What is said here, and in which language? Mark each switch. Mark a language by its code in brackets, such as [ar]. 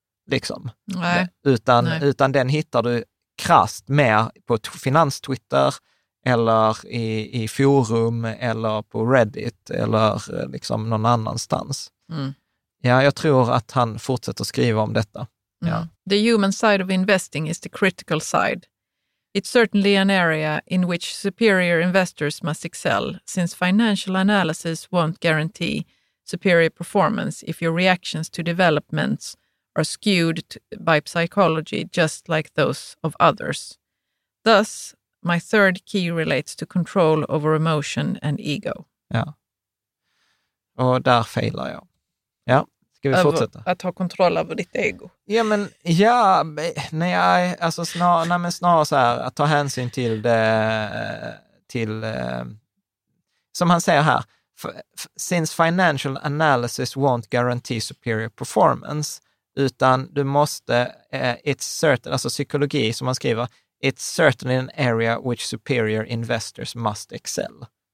[sv] Liksom. Nej. Utan den hittar du krasst mer på finanstwitter eller i forum eller på Reddit eller liksom någon annanstans. Mm. Ja, jag tror att han fortsätter skriva om detta. Mm. Ja. [en] The human side of investing is the critical side. It's certainly an area in which superior investors must excel, since financial analysis won't guarantee superior performance if your reactions to developments are skewed by psychology just like those of others. Thus, my third key relates to control over emotion and ego. [sv] Ja. Och där failar jag. Ja, ska vi fortsätta? Att ha kontroll över ditt ego. Ja, men ja, nej, alltså snarare så här, att ta hänsyn till det, till som han säger här, since financial analysis won't guarantee superior performance, utan du måste, it's certain, alltså psykologi som han skriver, it's certainly an area which superior investors must excel.